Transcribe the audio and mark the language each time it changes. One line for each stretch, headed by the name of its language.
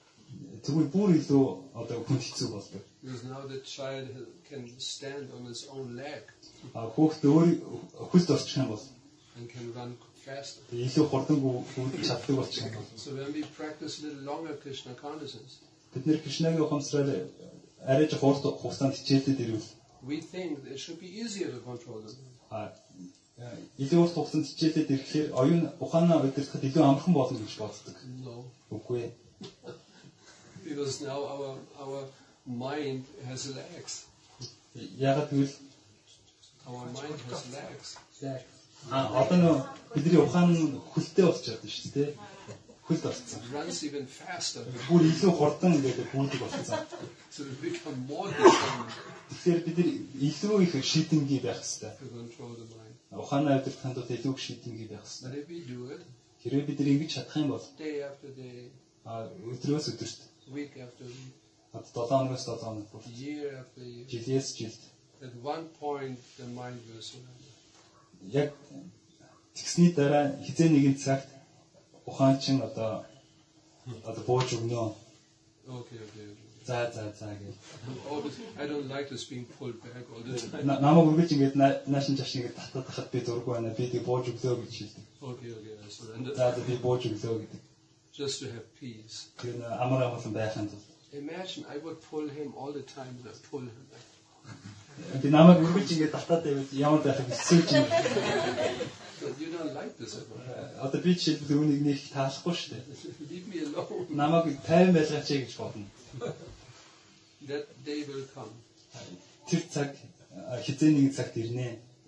Mongolian: Тэгвэл бүр илүү одоо хүнд хэцүү болдог.
English: Because now the child can stand on his own leg.
Mongolian: А хүүхд өөр хөс дорчих юм бол
English: and can run faster.
Mongolian: Илүү хурдан гүйж чаддаг болчих юм бол.
English: So when we practice a little longer Krishna consciousness.
Mongolian: Бид нэр Кришнагийн ухамсарыг арай жоох урт хугацаанд хичээлдэд ирвэл
English: we think it should be easier to control them.
Mongolian: А илүү урт хугацаанд хичээлдэд ирэхээр оюун ухаанаа өдөрсөхөд илүү амархан болно гэж боддог. Үгүй ээ.
English: Because now our mind has legs. Ягт үл our mind has legs.
Mongolian: А одоо нөө бидний ухаан хөлтэй болчиход байна шүү дээ. Хөлт болсон.
English: Runs even faster.
Mongolian: Бүр илүү хурдан ингэж бүрдэг болсон.
English: So we become more determined.
Mongolian: Тэр бид илүү их шийдэнгийн байх хэрэгтэй.
English: Control the mind.
Mongolian: Ухаанаа өдөрт хандуу илүү их шийдэнгийн байх хэрэгтэй. Хэрэв бид ингэж чадах юм бол
English: day after day.
Mongolian: А өдрөөс өдөрт
English: week after week.
Mongolian: А 7 оноос 7 оноо.
English: Year after year.
Mongolian: Жилээс жилд.
English: At one point the mind will surrender.
Mongolian: Яг тэгсний дараа хизээ нэгэн цагт ухаан чин одоо одоо бууж өгнө.
English: Okay, okay.
Mongolian: За за за гэл.
English: I don't like this being pulled back all the time.
Mongolian: Намаг үргэлж ингэж наашин чаш ингэ татдагхад би зургүй байна. Би тийг бууж өглөө гэж хэлдэг.
English: Okay, okay. Surrender.
Mongolian: За за би бууж өглөө гэдэг.
English: Just to have peace.
Mongolian: Тэр амар амгалан байхын тулд.
English: Imagine I would pull him all the time to pull him back.
Mongolian: Тэгээ намайг үргэлж ингэ талтаад байвал яваад байхыг хэцүүч юм.
English: You don't like this.
Mongolian: Одоо би чи зүүнийг нэг таалахгүй шүү дээ.
English: Leave me alone.
Mongolian: Намайг тайван байлгач гэж бодно.
English: That day will come.
Mongolian: Тэр цаг хэзээ нэгэн цагт ирнэ.